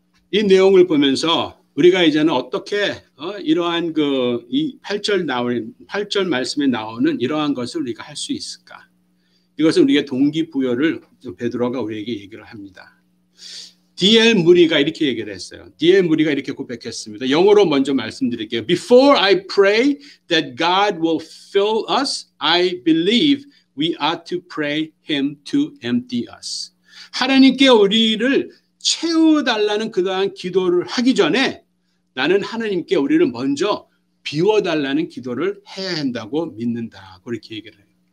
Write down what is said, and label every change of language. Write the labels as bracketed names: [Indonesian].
[Korean] 이 내용을 보면서 우리가 이제는 어떻게 이러한 그 이 8절 말씀에 나오는 이러한 것을 우리가 할 수 있을까? 이것은 우리의 동기부여를 베드로가 우리에게 얘기를 합니다. D.L. 무리가 이렇게 얘기를 했어요. D.L. 무리가 이렇게 고백했습니다. 영어로 먼저 말씀드릴게요. [English] Before I pray that God will fill us, I believe we ought to pray Him to empty us. [Korean] 하나님께 우리를 채워달라는 그러한 기도를 하기 전에 나는 하나님께 우리를 먼저 비워달라는 기도를 해야 한다고 믿는다. 그렇게 얘기를 해요.